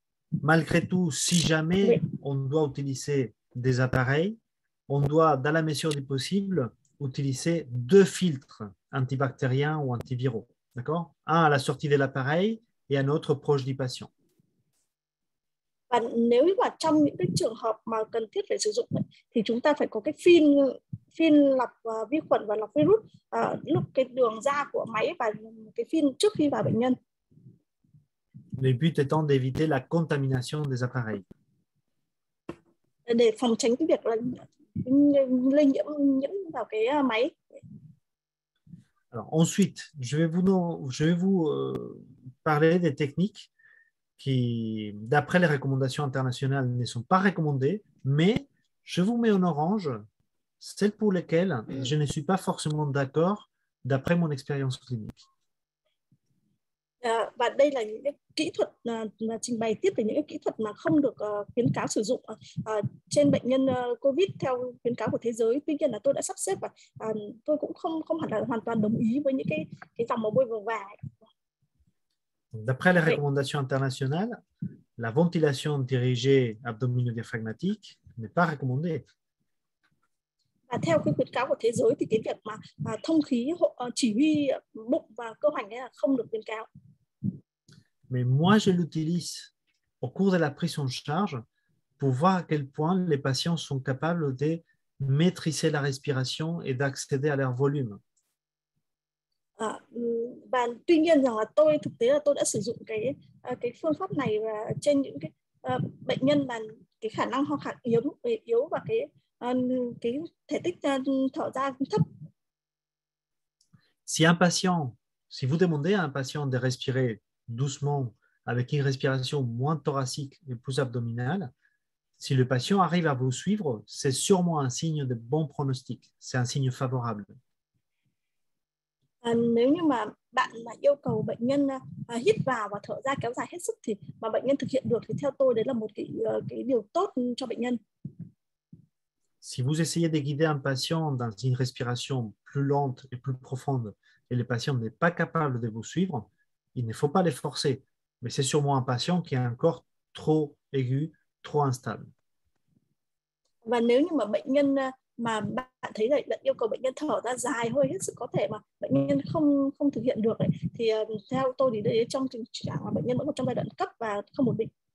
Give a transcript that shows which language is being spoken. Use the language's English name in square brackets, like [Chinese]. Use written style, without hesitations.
[French] Malgré tout, si jamais on doit utiliser des appareils, on doit, dans la mesure du possible, utiliser deux filtres antibactériens ou antiviraux, d'accord? Un à la sortie de l'appareil et un autre proche du patient. [Vietnamese] Và nếu mà trong những cái trường hợp mà cần thiết phải sử dụng ấy, thì chúng ta phải có cái phin phin lọc vi khuẩn và lọc virus lúc cái đường ra của máy và cái phin trước khi vào bệnh nhân. [French] Le but étant d'éviter la contamination des appareils. [Vietnamese] Để phòng tránh cái việc là lây nhiễm vào cái máy. [French] Alors, ensuite, je vais vous parler des techniques qui, d'après les recommandations internationales, ne sont pas recommandées, mais je vous mets en orange celles pour lesquelles je ne suis pas forcément d'accord d'après mon expérience clinique. [Vietnamese] Và đây là những kỹ thuật trình bày tiếp là những kỹ thuật mà không được khuyến cáo sử dụng trên bệnh nhân COVID theo khuyến cáo của thế giới. Tuy nhiên là tôi đã sắp xếp và tôi cũng không hẳn là hoàn toàn đồng ý với những cái dòng màu bôi vàng vàng. [French] D'après les recommandations internationales, la ventilation dirigée abdominodiaphragmatique n'est pas recommandée. [Vietnamese] Và theo cái khuyến cáo của thế giới thì cái việc mà thông khí chỉ huy bụng và cơ hoành là không được khuyến cáo. [French] Mais moi je l'utilise au cours de la prise en charge pour voir à quel point les patients sont capables de maîtriser la respiration et d'accéder à leur volume. [Vietnamese] Và tuy nhiên rằng là tôi thực tế là tôi đã sử dụng cái phương pháp này trên những cái bệnh nhân mà cái khả năng ho khạc yếu và cái thể tích thở ra thấp. [French] Si vous demandez à un patient de respirer doucement avec une respiration moins thoracique et plus abdominale, si le patient arrive à vous suivre, c'est sûrement un signe de bon pronostic, c'est un signe favorable. [Vietnamese] Nếu như mà bạn mà yêu cầu bệnh nhân hít vào và thở ra kéo dài hết sức thì mà bệnh nhân thực hiện được thì theo tôi đấy là một cái điều tốt cho bệnh nhân. [French] Si vous essayez de guider un patient dans une respiration plus lente et plus profonde et le patient n'est pas capable de vous suivre, il ne faut pas les forcer, mais c'est sûrement un patient qui a un corps trop aigu, trop instable. [Vietnamese] Và nếu như mà bệnh nhân mà bạn thấy là yêu cầu bệnh nhân thở ra dài hơi hết sức có thể mà bệnh nhân không thực hiện được ấy, thì theo tôi thì đây trong tình trạng mà bệnh nhân vẫn còn trong giai đoạn cấp và không ổn định.